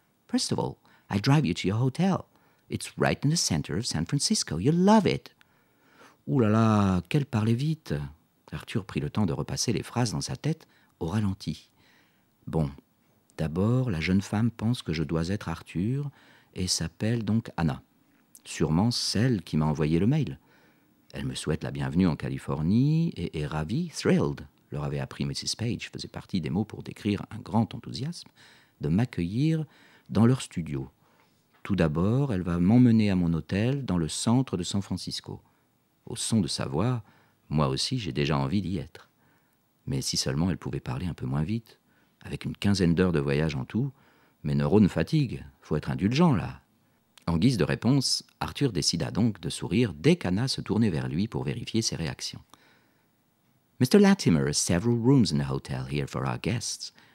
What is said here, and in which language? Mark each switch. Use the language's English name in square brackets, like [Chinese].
[English] First of all, I drive you to your hotel. It's right in the center of San Francisco. You'll love it. [French] » Ouh là là, qu'elle parlait vite. Arthur prit le temps de repasser les phrases dans sa tête au ralenti. « Bon, d'abord, la jeune femme pense que je dois être Arthur et s'appelle donc Anna. Sûrement celle qui m'a envoyé le mail. Elle me souhaite la bienvenue en Californie et est ravie, thrilled. » leur avait appris Mrs. Page, faisait partie des mots pour décrire un grand enthousiasme, de m'accueillir dans leur studio. Tout d'abord, elle va m'emmener à mon hôtel dans le centre de San Francisco. Au son de sa voix, moi aussi j'ai déjà envie d'y être. Mais si seulement elle pouvait parler un peu moins vite, avec une quinzaine d'heures de voyage en tout, mes neurones fatiguent, faut être indulgent là. En guise de réponse, Arthur décida donc de sourire dès qu'Anna se tournait vers lui pour vérifier ses réactions. [English] « Mr. Latimer has several rooms in the hotel here for our guests.